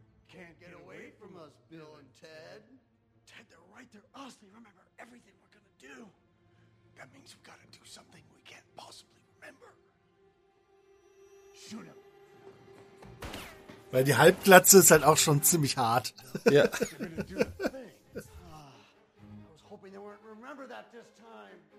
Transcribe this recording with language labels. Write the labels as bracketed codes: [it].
[en] Can't get away from us, Bill and Ted. Ted, they're right. They're us. They remember everything we're gonna do. That means we've gotta do something we can't possibly remember. Shoot him. [de] Weil die Halbglatze ist halt auch schon ziemlich hart. Ja. [en] I was hoping they weren't remember that this time.